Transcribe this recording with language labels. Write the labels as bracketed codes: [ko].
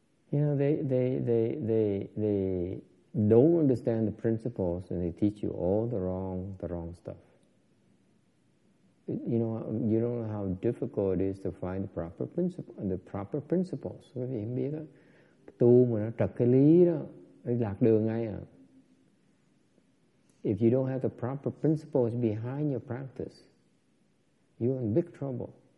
[en] You know, they don't understand the principles and they teach you all the wrong stuff. You know, you don't know how difficult it is to find the proper principles. [vi] Quý vị không biết đó. Tu mà nó trật cái lý đó, nó lạc đường ngay à. [en] If you don't have the proper principles behind your practice, you're in big trouble.